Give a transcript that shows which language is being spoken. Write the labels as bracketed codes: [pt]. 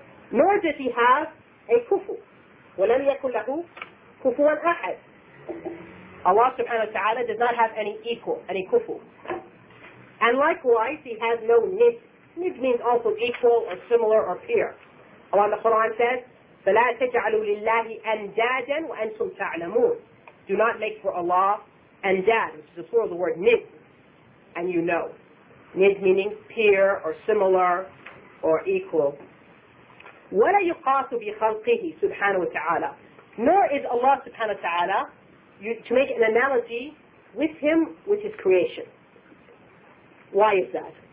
[en] Nor does he have a kufu. [ar] وَلَمْ يَكُنْ لَهُ كُفُوًا أَحَدٍ. [en] Allah subhanahu wa ta'ala does not have any equal, any kufu. And likewise, he has no nid. Nid means also equal or similar or peer. Allah in the Quran says, [ar] فَلَا تَجْعَلُوا لِلَّهِ أَنْدَادًا وَأَنْتُمْ تَعْلَمُونَ. [en] Do not make for Allah and dad, which is the plural of the word nid, and you know. Nid meaning peer, or similar, or equal. [ar] وَلَا يُقَاسُ بِخَلْقِهِ سُبْحَانَهُ وَتَعَالَى. [en] Nor is Allah subhanahu wa ta'ala to make an analogy with him, with his creation. Why is that?